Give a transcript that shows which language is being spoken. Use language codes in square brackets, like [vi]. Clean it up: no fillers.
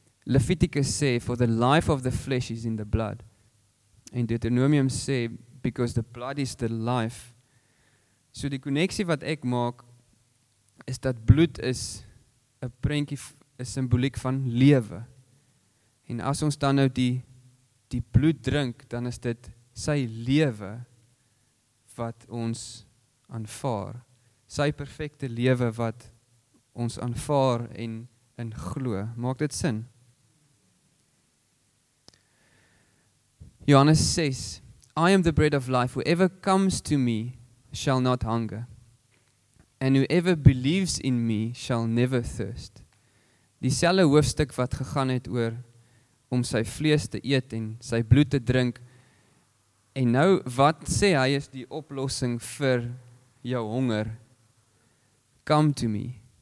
[af] Leviticus sê, [en] for the life of the flesh is in the blood. [af] En Deuteronomium sê, [en] because the blood is the life. [af] So die connectie wat ek maak, is dat bloed is een prentjie, een symboliek van lewe. En as ons dan nou die bloed drink, dan is dit sy lewe wat ons aanvaar. Sy perfekte lewe wat ons aanvaar en in glo. Maak dit sin? [en] Johannes 6, I am the bread of life. Whoever comes to me shall not hunger. And whoever believes in me shall never thirst. [af] Dieselfde hoofstuk wat gegaan het oor om sy vlees te eet en sy bloed te drink. En nou, wat sê hy is die oplossing vir jou honger? [en] Come to me.